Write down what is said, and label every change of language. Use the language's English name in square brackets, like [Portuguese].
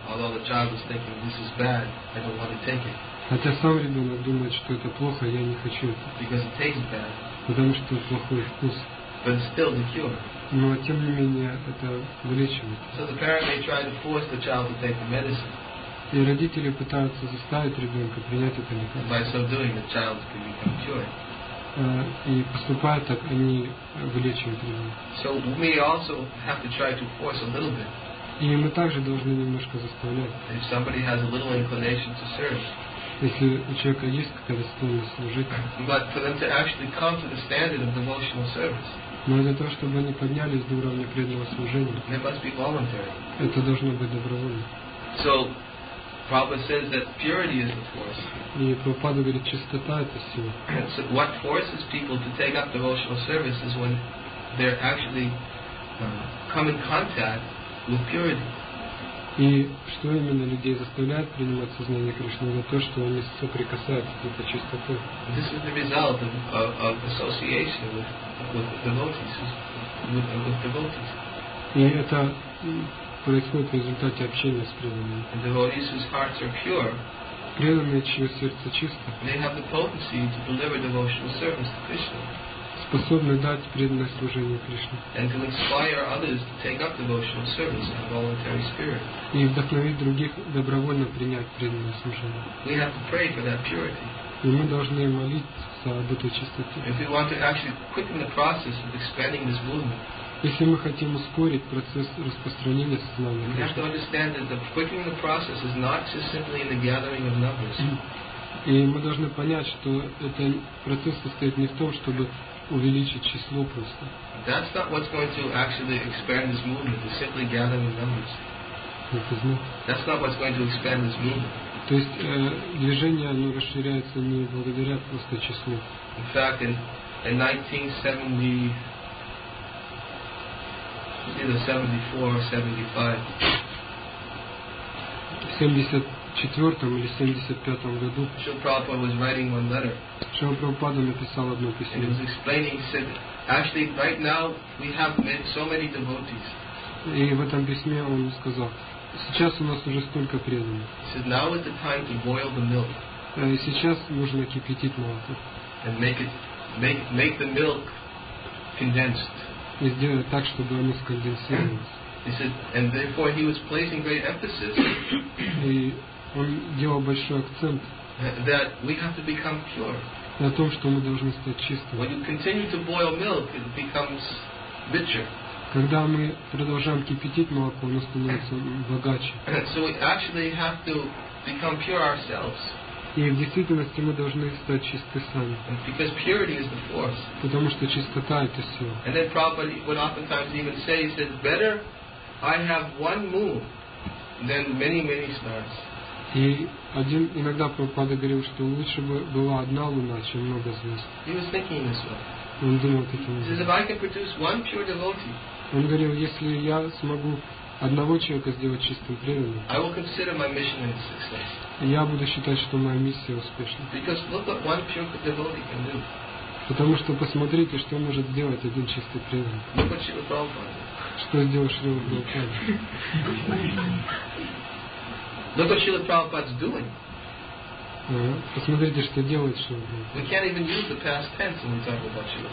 [English] Although the child is thinking this is bad, I don't want to take it. [Russian] Хотя сам ребенок думает, что это плохо, я не хочу это. [English] Because it tastes bad. [Russian] Потому что плохой вкус. [English] But it's still the cure. [Russian] Но тем не менее это вылечивает. [English] So the parent may try to force the child to take the medicine. [Russian] И родители пытаются заставить ребенка принять это лекарство. [English] By so doing, the child can become cured. [Russian] И поступая так, они вылечивают ребенка. [English] So we also have to try to force a little bit. [Russian] И мы также должны немножко заставлять. [English] If somebody has a little inclination to serve. [Russian] Если у человека есть какая-то склонность служить. [English] But for them to actually come to the standard of devotional service. [Russian] Но для того, чтобы они поднялись до уровня преданного служения. [English] They must be voluntary. [Russian] Это должно быть добровольно. [English] So Prabhupada says that purity is the force. [Russian] И Прабхупада говорит, чистота – это сила. [English] So what forces people to take up devotional service is when they're actually come in contact with purity. [Russian] И что именно людей заставляет принимать сознание Кришны, это то, что они соприкасаются с этой чистотой. [English] This is the result of association with devotees. [Russian] И это происходит в результате общения с преданными. [English] And devotees whose hearts are pure, [Russian] преданные, чье сердце чисто, [English] they have the potency to deliver devotional service to Krishna. [Russian] Способны дать преданное служение Кришне. [English] And to inspire others to take up devotional service in a voluntary spirit. [Russian] И вдохновить других добровольно принять преданное служение. [English] We have to pray for that purity. [Russian] И мы должны молиться об этой чистоте. [English] If we want to actually quicken the process of expanding this movement. [Russian] Если мы хотим ускорить процесс распространения сознания Кришны. [English] We have to understand that the quickening the process is not just simply in the gathering of numbers. [Russian] И мы должны понять, что этот процесс состоит не в том, чтобы увеличить число просто. [English] That's not what's going to actually expand this movement. It's simply gathering numbers. That's not what's going to expand this movement. [Russian] То есть движение оно расширяется не благодаря просто числу. [English] In fact, in 1974 or 75 Srila Prabhupada was writing one letter. [Russian] Srila Prabhupada написал одно письмо. [English] And he was explaining, he said, actually, right now we have met so many devotees. [Russian] И в этом письме он сказал, сейчас у нас уже столько преданных. [English] He said, now is the time to boil the milk. [Russian] И сейчас нужно кипятить молоко. [English] And make the milk condensed. [Russian] И сделать так, чтобы оно сконденсировалось. [English] He said, and therefore he was placing great emphasis. [Russian] И он делал большой акцент. [English] That we have to become pure. [Russian] На том, что мы должны стать чистыми. [English] When you continue to boil milk, it becomes richer. [Russian] Когда мы продолжаем кипятить молоко, оно становится богаче. [English] So we actually have to become pure ourselves. [Russian] И в действительности мы должны стать чисты сами. [English] Because purity is the force. [Russian] Потому что чистота – это сила. [English] And then Prabhupada would oftentimes even say, he said, better I have one moon than many, many stars. [Russian] И один иногда Прабхупада говорил, что лучше бы была одна луна, чем много звезд. [English] He was thinking this way. [Russian] Он думал таким образом. [English] He says, if I can produce one pure devotee, [Russian] он говорил, если я смогу одного человека сделать чистым преданным, [English] I will consider my mission as a success. [Russian] Я буду считать, что моя миссия успешна. [English] Because look what one pure devotee can do. [Russian] Потому что посмотрите, что может сделать один чистый преданный. [English] Look what Srila Prabhupada did. [Russian] Что сделал Шрила Прабхупада? [English] Look what Srila Prabhupada is doing. [Russian] Посмотрите, что делает Шрила Прабхупада.